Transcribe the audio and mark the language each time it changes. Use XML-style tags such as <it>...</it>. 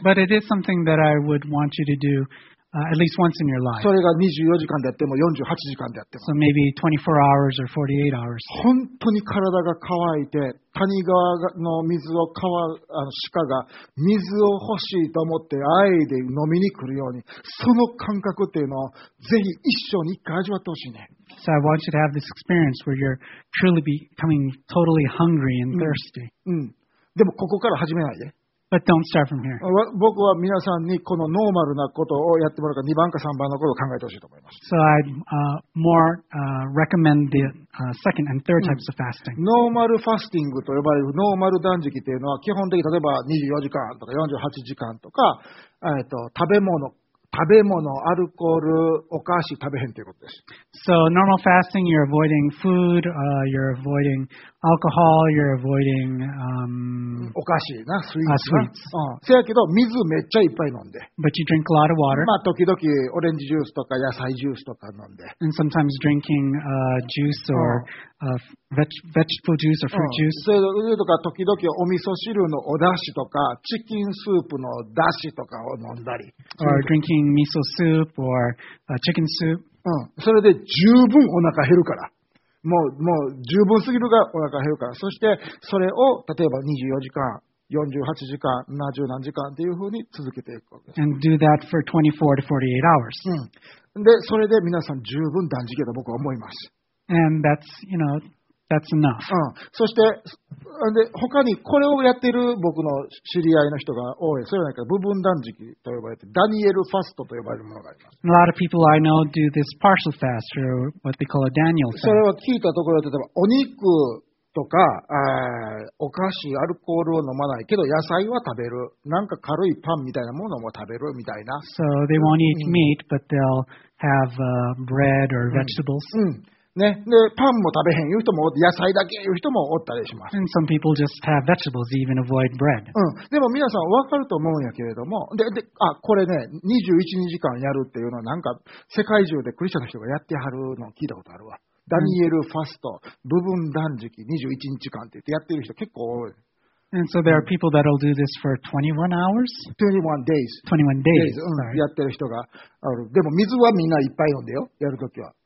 <en>But it is something that I would want you to do. At least once in your life.</en> <ja>それが24時間であっても48時間であっても。</ja> <en>So maybe 24 hours or 48 hours.</en> <ja>本当に体が乾いて、谷川の水を鹿が水を欲しいと思って愛で飲みに来るように、その感覚っていうのをぜひ一生に一回味わってほしいね。</ja> <en>So I want you to have this experience where you're truly becoming totally hungry and thirsty.</en> <ja>でもここから始めないで。</ja> <en>But don't start from here.</en> <ja>僕は皆さんにこのノーマルなことをやってもらうか2番か3番のことを考えてほしいと思います。</ja> <en>So I'd more recommend the second and third types of fasting.</en> <ja>ノーマルファスティングと呼ばれるノーマル断食というのは基本的に例えば24時間とか48時間とか、食べ物、アルコール、お菓子食べへんということです。</ja> <en>So normal fasting, you're avoiding food, you're avoiding alcohol, you're avoiding</en> <ja>お菓子な、スイーツな。</ja> <en>Sweets.</en> <ja>せやけど水めっちゃいっぱい飲んで。</ja> <en>But you drink a lot of water.</en> <ja>まあ時々オレンジジュースとか野菜ジュースとか飲んで。</ja> <en>And sometimes drinking juice or vegetable juice or fruit juice.</en> <ja>それとか時々お味噌汁のお出汁とかチキンスープの出汁とかを飲んだり。</ja> <en>Or drinking miso soup or chicken soup.</en> <ja>それで十分お腹減るから。もう十分すぎるがお腹減るから。そしてそれを例えば24時間、48時間、70何時間っていうふうに続けていくわけです。</ja> <en>And do that for 24 to 48 hours.</en> <ja>でそれで皆さん十分断食だと僕は思います。</ja> <en>And that's, you know, that's enough.</en> <ja>そして、で、他にこれをやっている僕の知り合いの人が多い。それはなんか部分断食と呼ばれて、ダニエルファストと呼ばれるものがあります。</ja> <en>A lot of people I know do this partial fast, or what they call a Daniel fast.</en> <ja>それは聞いたところで、例えば、お肉とか、お菓子、アルコールを飲まないけど、野菜は食べる。なんか軽いパンみたいなものも食べるみたいな。</ja> <en>So they won't eat meat, but they'll have bread or vegetables.</en> <ja>ね、でパンも食べへんいう人も野菜だけいう人もおったりします。</ja> <en>And some people just have vegetables, even avoid bread.</en> <ja>うん、でも皆さん分かると思うんやけれども、で、あ、これね、21時間やるっていうのはなんか世界中でクリスチャンの人がやってはるのを聞いたことあるわ。ダニエルファスト、部分断食21日間って言ってやってる人結構多い。</ja> <en>And so there are people that will do this for 21 hours? 21 days. 21 days.</en> <ja>やってる人がある。でも水はみんないっぱい飲んでよ、やるときは。</ja>